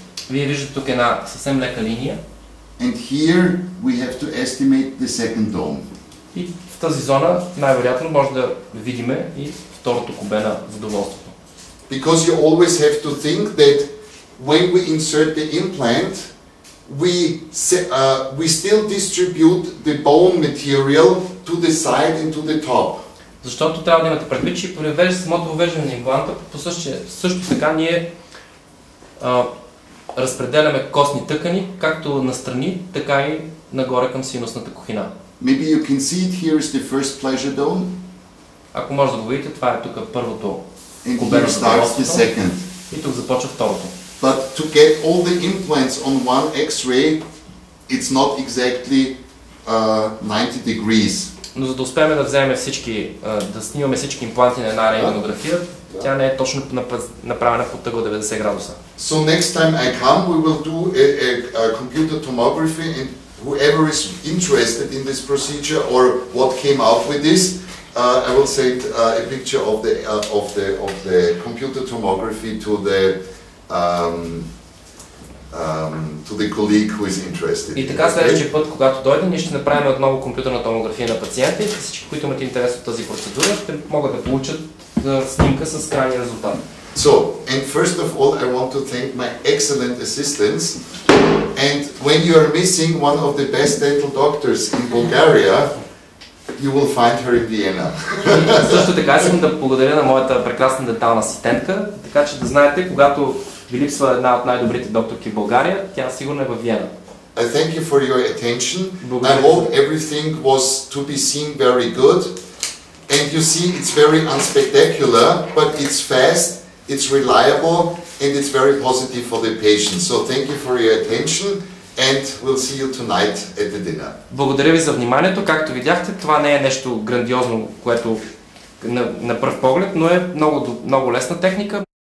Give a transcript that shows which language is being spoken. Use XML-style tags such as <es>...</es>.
<bg>Вие виждате тук една съвсем лека линия.</bg> <en>And here we have to estimate the second dome.</en> <bg>И в тази зона най-вероятно може да видим и второто кубе на задоволството.</bg> <en>Because you always have to think that when we insert the implant, we still distribute the bone material to the side and to the top.</en> <bg>Защото трябва да имате предвид, че при самото въвеждане на импланта, също така ние разпределяме костни тъкани, както настрани, така и нагоре към синусната кухина.</bg> <en>Maybe you can see it, here is the first pleasure dome.</en> <bg>Ако може да го видите, това е тук първото кубено задоволството. И тук започва второто.</bg> <en>But to get all the implants on one X-ray, it's not exactly 90 degrees.</en> <bg>Но за да успеем да вземем всички, да снимаме всички импланти на една рентгенография, тя не е точно направена под тъгъл 90 градуса.</bg> <en>So next time I come, we will do a computer tomography, and whoever is interested in this procedure or what came out with this, I will send a picture of the computer tomography to the to the colleague who is interested.</en> <bg>И така следващия път, когато дойде, ние ще направим отново компютърна томография на пациента и всички, които имат интерес от тази процедура, ще могат да получат снимка с крайния резултат.</bg> <en>So, and first of all, I want to thank my excellent assistants. And when you are missing one of the best dental doctors in Bulgaria, you will find her in Vienna.</en> <bg>Също така искам да благодаря на моята прекрасна дентална асистентка, така че да знаете, когато ви липсва една от най-добрите докторки в България, тя сигурно е във Виена.</bg> <en>I thank you for your attention. I hope everything was to be seen very good. And you see, it's very unspectacular, but it's fast, it's reliable, and it's very positive for the patient. So thank you for your attention, and we'll see you tonight at the dinner.</en> <bg>Благодаря ви за вниманието. Както видяхте, това не е нещо грандиозно, което на пръв поглед, но е много лесна техника.</bg>